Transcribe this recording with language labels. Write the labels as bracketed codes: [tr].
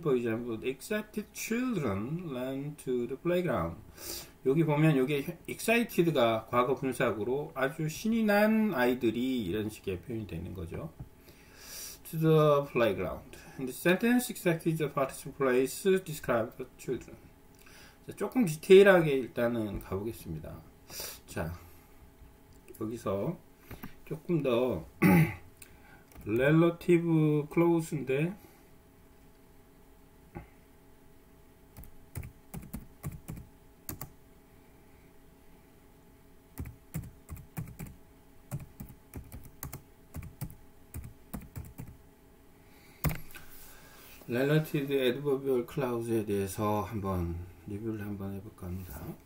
[en] For example, excited children ran to the playground. [ko] 여기 보면 여기 excited가 과거 분사구로 아주 신이 난 아이들이 이런 식의 표현이 되는 거죠. [en] To the playground. In the sentence, excited the participle phrase describe the children. [ko] 자, 조금 디테일하게 일단은 가보겠습니다. 자, 여기서 조금 더 relative clause인데 relative adverbial clause에 대해서 한번 리뷰를 한번 해볼까 합니다.